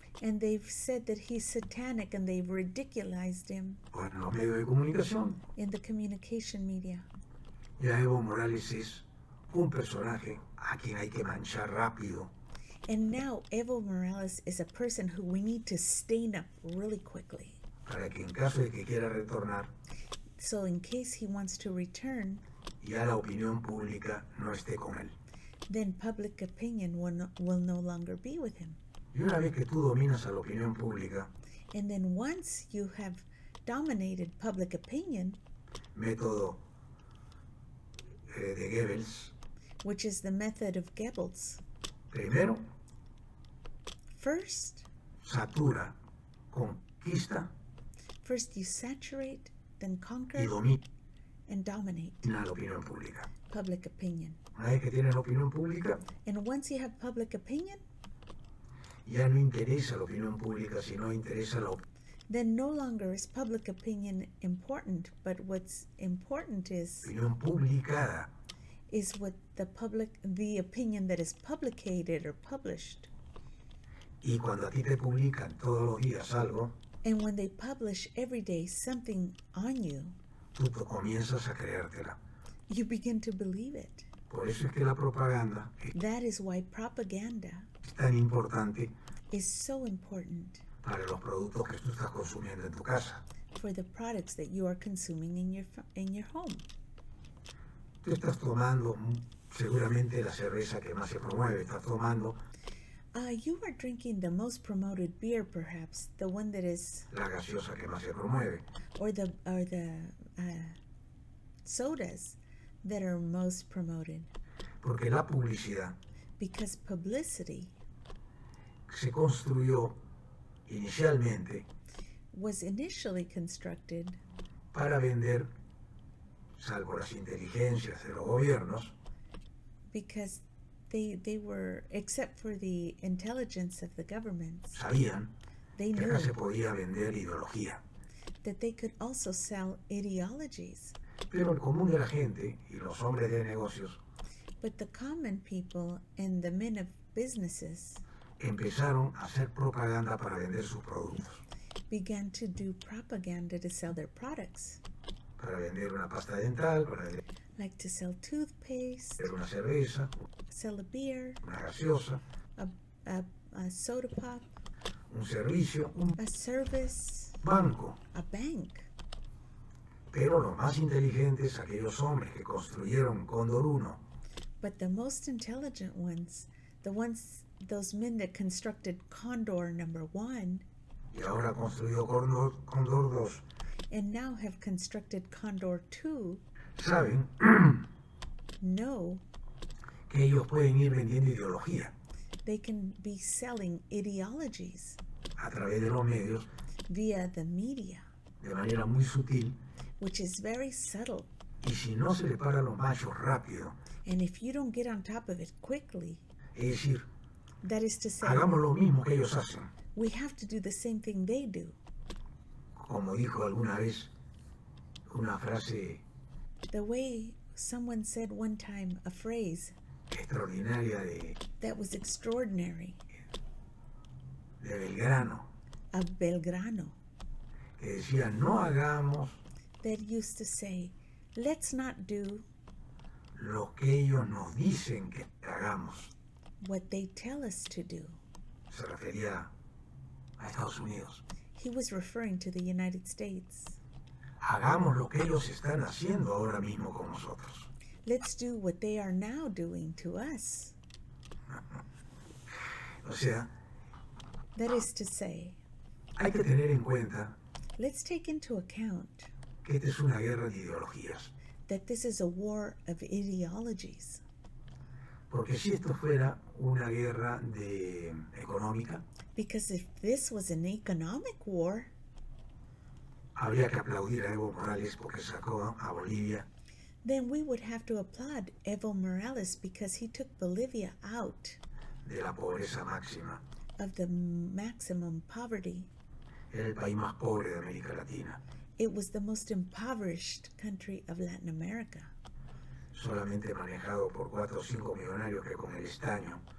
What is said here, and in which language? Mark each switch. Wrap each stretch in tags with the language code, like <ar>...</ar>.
<en>And they've said that he's satanic and they've ridiculized him in the communication media.</en> <es>Ya Evo Morales es un personaje a quien hay que manchar rápido.</es> <en>And now Evo Morales is a person who we need to stain up really quickly.</en> <es>Para que en caso de que quiera retornar,</es> <en>so in case he wants to return,</en> <es>ya la opinión pública no esté con él.</es> <en>Then public opinion will no longer be with him.</en> <es>Y una vez que tú dominas a la opinión pública,</es> <en>and then once you have dominated public opinion,</en> <es>método de Goebbels,</es> <en>which is the method of Goebbels,</en> <es>primero,</es> <en>first,</en> <es>satura, conquista,</es> <en>first you saturate, then conquer,</en> <es>y domina,</es> <en>and dominate</en> <es>la opinión pública,</es> <en>public opinion.</en> <es>Una vez que tienes la opinión pública,</es> <en>and once you have public opinion,</en> <es>ya no interesa la opinión pública, sino interesa la opinión.</es> <en>Then no longer is public opinion important, but what's important is</en> <es>opinión publicada.</es> <en>Is what the opinion that is publicated or published.</en> <es>Y cuando a ti te publican todos los días algo,</es> <en>and when they publish every day something on you,</en> <es>tú comienzas a creértela.</es> <en>You begin to believe it.</en> <es>Por eso es que la propaganda,</es> <en>that is why propaganda</en> <es>es tan importante,</es> <en>is so important</en> <es>para los productos que tú estás consumiendo en tu casa.</es> <en>For the products that you are consuming in your home.</en> <es>Tú estás tomando seguramente la cerveza que más se promueve, estás tomando</es> <en>you are drinking the most promoted beer perhaps, the one that is</en> <es>la gaseosa que más se promueve,</es> <en>or the sodas that are most promoted.</en> <es>Porque la publicidad,</es> <en>because publicity</en> <es>se construyó inicialmente,</es> <en>was initially constructed</en> <es>para vender, salvo las inteligencias de los gobiernos,</es> <en>because they were, except for the intelligence of the governments,</en> <es>sabían,</es> <en>they</en> <es>que</es> <en>knew</en> <es>acá se podía vender ideología,</es> <en>that they could also sell ideologies.</en> <es>Pero el común de la gente y los hombres de negocios,</es> <en>but the common people and the men of businesses,</en> <es>empezaron a hacer propaganda para vender sus productos.</es> <en>Began to do propaganda to sell their products.</en> <es>Para vender una pasta dental, para vender,</es> <en>like to sell toothpaste,</en> <es>vender una cerveza,</es> <en>sell a beer,</en> <es>una gaseosa,</es> <en>a soda pop,</en> <es>un servicio,</es> <en>a service,</en> <es>banco,</es> <en>a bank.</en> <es>Pero los más inteligentes, aquellos hombres que construyeron Cóndor 1,</es> <en>but the most intelligent ones, the ones, those men that constructed Condor number one,</en> <es>y ahora construyó Condor 2,</es> <en>and now have constructed Condor 2,</en> <es>saben,</es> <en>know</en> <es>que ellos pueden ir vendiendo ideología,</es> <en>they can be selling ideologies</en> <es>a través de los medios,</es> <en>via the media,</en> <es>de manera muy sutil,</es> <en>which is very subtle.</en> <es>Y si no se le para los machos rápido,</es> <en>and if you don't get on top of it quickly,</en> <es>es decir,</es> <en>that is to say,</en> <es>hagamos lo mismo que ellos hacen,</es> <en>we have to do the same thing they do.</en> <es>Como dijo alguna vez una frase,</es> <en>the way someone said one time a phrase</en> <es>extraordinaria de,</es> <en>that was extraordinary,</en> <es>de Belgrano,</es> <en>of Belgrano,</en> <es>que decía, no hagamos,</es> <en>that used to say, let's not do</en> <es>lo que ellos nos dicen que hagamos,</es> <en>what they tell us to do.</en> <es>Se refería a Estados Unidos.</es> <en>He was referring to the United States.</en> <es>Hagamos lo que ellos están haciendo ahora mismo con nosotros.</es> <en>Let's do what they are now doing to us.</en> <es>O sea,</es> <en>that is to say,</en> <es>hay que tener en cuenta,</es> <en>let's take into account,</en> <es>que esta es una guerra de ideologías,</es> <en>that this is a war of ideologies.</en> <es>Porque si esto fuera una guerra de económica,</es> <en>because if this was an economic war,</en> <es>habría que aplaudir a Evo Morales porque sacó a Bolivia,</es> <en>then we would have to applaud Evo Morales because he took Bolivia out,</en> <es>de la pobreza máxima,</es> <en>of the maximum poverty.</en> <es>Era el país más pobre de América Latina.</es> <en>It was the most impoverished country of Latin America.</en> <es>Solamente manejado por 4 o 5 millonarios que con el estaño,</es>